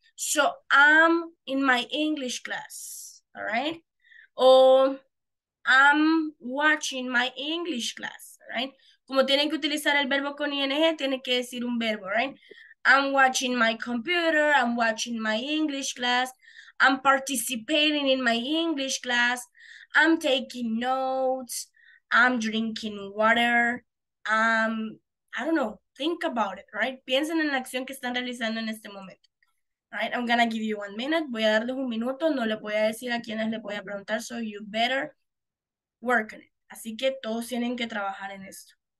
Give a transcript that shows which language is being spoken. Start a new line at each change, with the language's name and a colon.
English: So I'm in my English class, all right? Or I'm watching my English class, all right?
Spanish: Como tienen que utilizar el verbo con ing, tienen que decir un verbo, right?
English: I'm watching my computer, I'm watching my English class, I'm participating in my English class, I'm taking notes, I'm drinking water, I don't know, think about it, right?
Spanish: Piensen en la acción que están realizando en este momento, right?
English: I'm gonna give you 1 minute,
Spanish: voy a darles 1 minuto, no le voy a decir a quienes le voy a preguntar,
English: so you better work on it.
Spanish: Así que todos tienen que trabajar en esto.